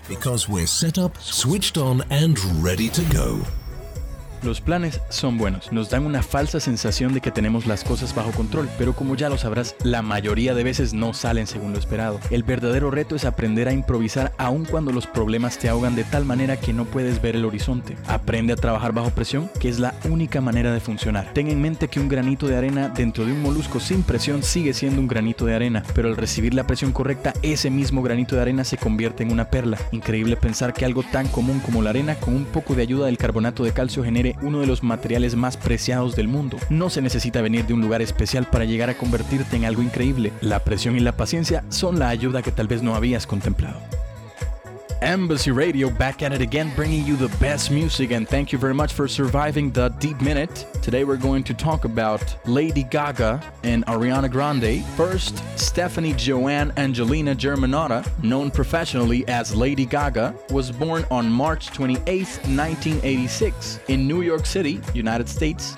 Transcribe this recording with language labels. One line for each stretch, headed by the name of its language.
English: because we're set up, switched on and ready to go.
Spanish: Los planes son buenos, nos dan una falsa sensación de que tenemos las cosas bajo control, pero como ya lo sabrás, la mayoría de veces no salen según lo esperado. El verdadero reto es aprender a improvisar aun cuando los problemas te ahogan de tal manera que no puedes ver el horizonte. Aprende a trabajar bajo presión, que es la única manera de funcionar. Ten en mente que un granito de arena dentro de un molusco sin presión sigue siendo un granito de arena, pero al recibir la presión correcta, ese mismo granito de arena se convierte en una perla. Increíble pensar que algo tan común como la arena, con un poco de ayuda del carbonato de calcio, genere uno de los materiales más preciados del mundo. No se necesita venir de un lugar especial para llegar a convertirte en algo increíble. La presión y la paciencia son la ayuda que tal vez no habías contemplado.
English: Embassy Radio, back at it again, bringing you the best music, and thank you very much for surviving the deep minute. Today we're going to talk about Lady Gaga and Ariana Grande. First, Stephanie Joanne Angelina Germanotta, known professionally as Lady Gaga, was born on March 28, 1986, in New York City, United States.